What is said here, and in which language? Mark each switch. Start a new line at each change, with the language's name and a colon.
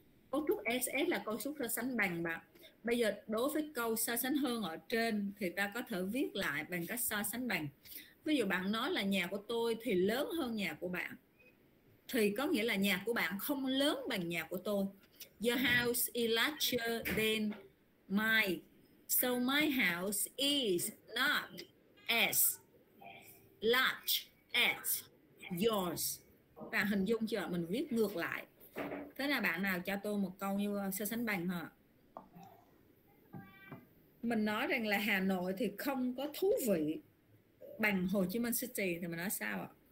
Vietnamese: Cấu trúc SS là cấu trúc so sánh bằng bạn. Bây giờ đối với câu so sánh hơn ở trên thì ta có thể viết lại bằng cách so sánh bằng. Ví dụ bạn nói là nhà của tôi thì lớn hơn nhà của bạn, thì có nghĩa là nhà của bạn không lớn bằng nhà của tôi.
English: Your house is larger than mine, so my house is not as large as yours.
Vietnamese: Bạn hình dung chưa? Mình viết ngược lại. Thế là bạn nào cho tôi một câu như so sánh bằng hả? Mình nói rằng là Hà Nội thì không có thú vị bằng Hồ Chí Minh City, thì mình nói sao ạ?